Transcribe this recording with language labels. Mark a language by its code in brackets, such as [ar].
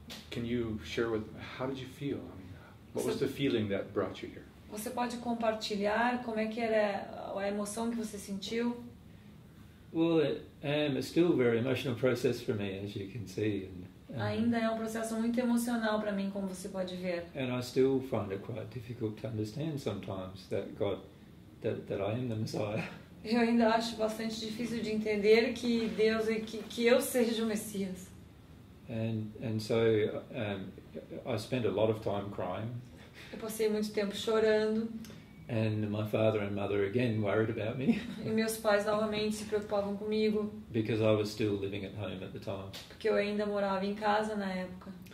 [en] Can you share with me, how did you feel? I mean, what was the feeling that brought you here? [pt] Você pode compartilhar como é que era a emoção que você sentiu? [en] Well, it's still a very emotional process for me, as you can see. And, [pt] ainda é um processo muito emocional para mim, como você pode ver. [en] And I still find it quite difficult to understand sometimes that God, that I am the Messiah. [pt] Eu ainda acho bastante difícil de entender que Deus e que eu seja o Messias. [en] And so I spent a lot of time crying. [pt] Eu passei muito tempo chorando. [en] And my father and mother again worried about me. [pt] E meus pais novamente se preocupavam comigo. [en] Because I was still living at home at the time. [pt] Porque eu ainda morava em casa na época.